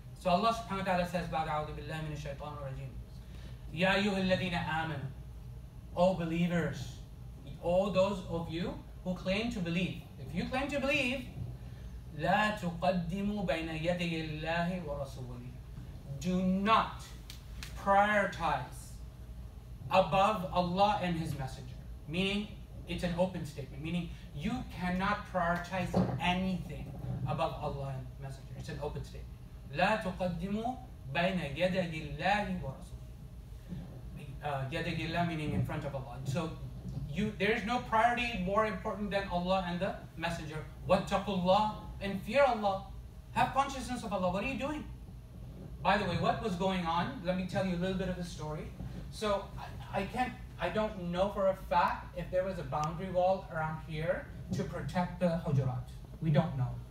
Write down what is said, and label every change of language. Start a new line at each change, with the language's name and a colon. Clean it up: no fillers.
English: So Allah subhanahu wa ta'ala says,
Arabic: بَعْدَ billahi مِنَ الشَّيْطَانُ الرَّجِيمُ يَا أَيُّهَا الَّذِينَ آمَنُوا.
English: O believers, all those of you who claim to believe, if you claim to believe,
Arabic: لا تقدموا بين يدي الله ورسوله.
English: Do not prioritize above Allah and His Messenger. Meaning, it's an open statement. Meaning, you cannot prioritize anything above Allah and Messenger. It's an open statement.
Arabic: لا تقدموا بين يدي الله ورسوله. يدي الله
English: meaning in front of Allah. So, there is no priority more important than Allah and the Messenger. Wattaqullah and fear Allah. Have consciousness of Allah. What are you doing? By the way, what was going on? Let me tell you a little bit of a story. So I don't know for a fact if there was a boundary wall around here to protect the Hujurat. We don't know.